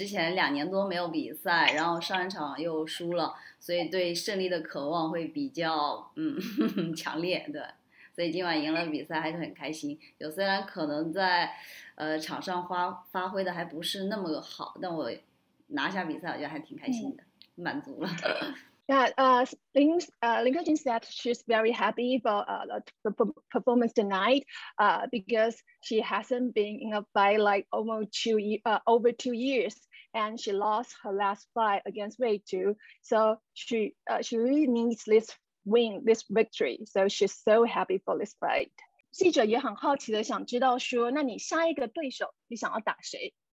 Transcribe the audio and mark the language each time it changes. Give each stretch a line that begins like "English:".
Chinese: 之前两年多没有比赛， 然后上一场又输了， 所以对胜利的渴望会比较 强烈， 对， 所以今晚赢了比赛， 还是很开心， 虽然可能在 场上发挥的还不是那么好， 但我拿下比赛， 我觉得还挺开心的， 满足了。
English: Lin Heqin said she's very happy for the performance tonight because she hasn't been in a fight like almost over two years. And she lost her last fight against Wei Zhu. So she really needs this win, this victory. So she's so happy for this fight.
Chinese: 记者也很好奇的想知道说，那你下一个对手你想要打谁？